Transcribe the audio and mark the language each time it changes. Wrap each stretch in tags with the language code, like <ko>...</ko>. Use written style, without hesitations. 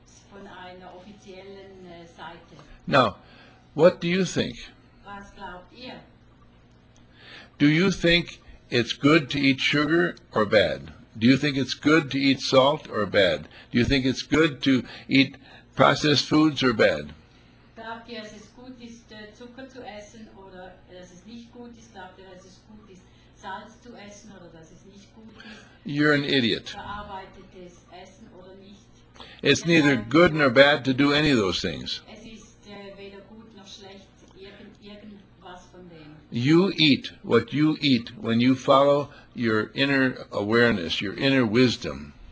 <de>Von einer offiziellen Seite.</de> <en>Now, what do you think?</en> <de>Was glaubt ihr?</de> <en>Do you think it's good to eat sugar or bad? Do you think it's good to eat salt or bad? Do you think it's good to eat processed foods or bad?</en> <de>Glaubt ihr, dass es gut ist, Zucker zu essen oder dass es nicht gut ist? Glaubt ihr, dass es gut ist, Salz zu essen oder dass es nicht gut ist?</de> <en>You're an idiot.</en> <de>Verarbeitetes Essen oder nicht?</de> <en>It's neither good nor bad to do any of those things.</en> <de>Es ist weder gut noch schlecht, irgendwas von dem.</de> <en>You eat what you eat when you follow your inner awareness, your inner wisdom.</en>